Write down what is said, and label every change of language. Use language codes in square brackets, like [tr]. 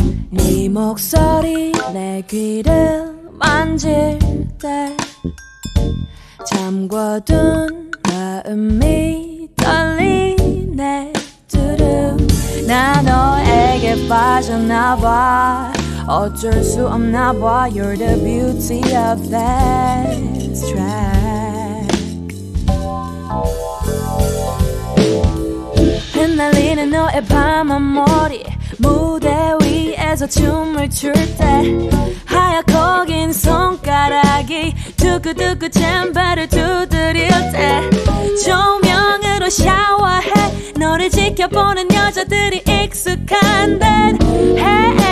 [ko] 네 목소리 내 귀를 만질 때 잠궈둔 마음이 떨리네. 두둥 나 너에게 빠졌나 봐 어쩔 수 없나 봐. [en] You're the beauty of this track. [ko] 흩날리는 너의 밤하모리 무대 위에서 춤을 출 때 하얗고 긴 손가락이 두구두구 잼바를 두드릴 때 조명으로 샤워해 너를 지켜보는 여자들이 익숙한 듯 해.